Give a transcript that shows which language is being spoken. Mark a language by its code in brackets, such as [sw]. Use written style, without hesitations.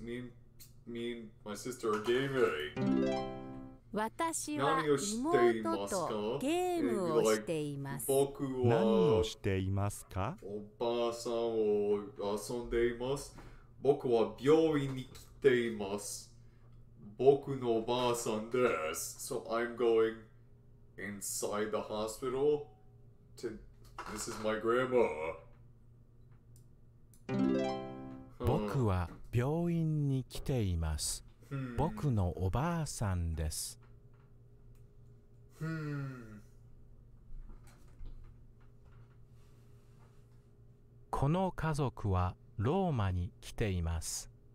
[en] Me and my sister are gaming. [ja] 私は妹とゲームをしています。僕は何をしていますか？おばあさんを遊んでいます。僕は病院に来ています。僕のおばあさんです。 [en] So I'm going inside the hospital to this is my grandma. [ja] 僕は病院に来ています。僕のおばあさんです。この家族はローマに来ています。